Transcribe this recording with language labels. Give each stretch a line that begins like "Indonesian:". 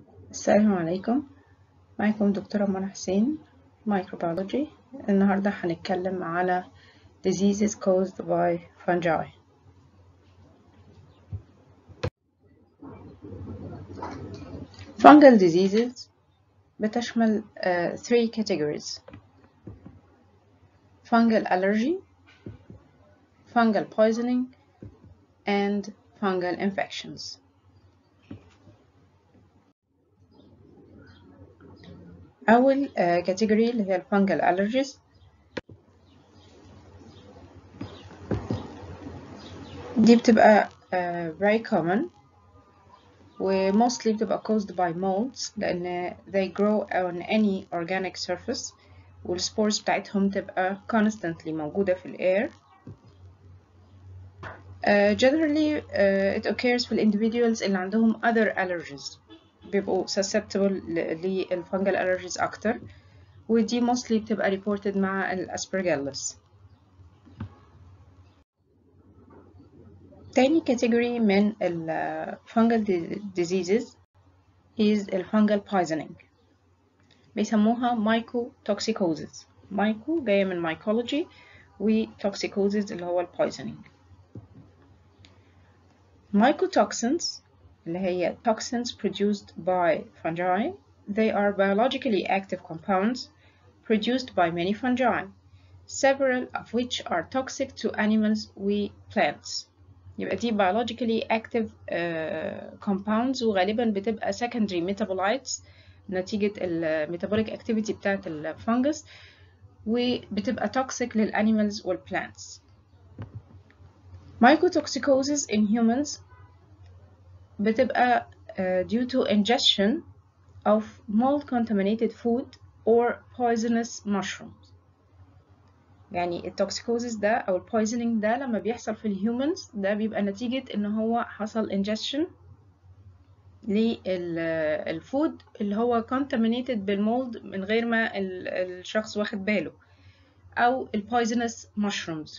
Arabic: السلام عليكم، معكم دكتورة منى حسين مايكروبيولوجي. النهاردة هنتكلم على
English: diseases caused by fungi. Fungal diseases
Arabic: بتشمل
English: three categories: fungal allergy, fungal poisoning and fungal infections.
Arabic: أول category اللي هي fungal allergies. دي بتبقى
English: very common و mostly بتبقى caused by molds،
Arabic: لأن
English: they grow on any organic surface والspores
Arabic: بتاعتهم تبقى constantly موجودة في الأير.
English: Generally it occurs في الindividuals
Arabic: اللي عندهم
English: other allergies،
Arabic: بيبقوا
English: susceptible للfungal allergies
Arabic: أكتر، ودي mostly بتبقى
English: reported مع الأسبرجيلس.
Arabic: تاني
English: category من fungal diseases is fungal poisoning،
Arabic: بيسموها
English: mycotoxicosis.
Arabic: myco جاية من mycology و toxicosis اللي هو poisoning.
English: mycotoxins
Arabic: اللي هي
English: toxins produced by fungi، they are biologically active compounds produced by many fungi, several of which are toxic to animals و plants.
Arabic: يبقى دي
English: biologically active compounds
Arabic: وغالبا بتبقى
English: secondary metabolites
Arabic: نتيجة
English: الـ metabolic activity
Arabic: بتاعت
English: الـ fungus،
Arabic: وبتبقى
English: toxic للـ animals والـ plants. Mycotoxicosis in humans
Arabic: بتبقى
English: due to ingestion of mold contaminated food or poisonous mushrooms.
Arabic: يعني التوكسيكوزيس ده او البويزنينج ده لما بيحصل في الهيومنز ده بيبقى نتيجة ان هو حصل انجستشن للفود اللي هو
English: contaminated
Arabic: بالمولد من غير ما الشخص واخد باله، او البويزنس مشرومز.